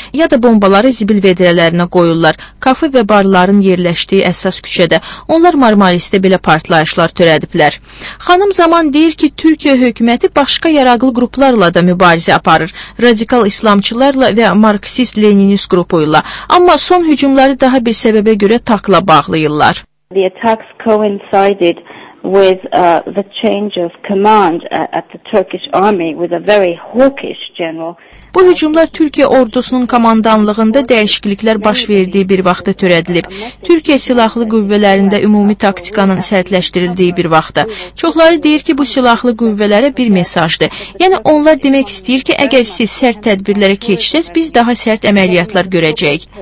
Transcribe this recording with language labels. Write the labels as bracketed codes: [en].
[az] Ya da bombaları zibil vedrələrinə qoyurlar. Kafe və barların yerləşdiyi əsas küçədə onlar Marmaris-də belə partlayışlar törədiblər. Xanım Zaman deyir ki, Türkiyə hökuməti başqa yaraqlı qruplarla da mübarizə aparır. Radikal İslamçılarla və Marksist-Leninist qrupu ilə. Amma son hücumları daha bir səbəbə görə TAK-la bağlayırlar. [en] The attacks coincided with the change of command at the Turkish army with a very hawkish general. [az] Bu hücumlar Türkiyə ordusunun komandanlığında dəyişikliklər baş verdiyi bir vaxtda törədilib. Türkiyə silahlı qüvvələrində ümumi taktikanın sərtləşdirildiyi bir vaxtda. Çoxları deyir ki, bu silahlı qüvvələrə bir mesajdır. Yəni, onlar demək istəyir ki, əgər siz sərt tədbirlərə keçsəz, biz daha sərt əməliyyatlar görəcəyik.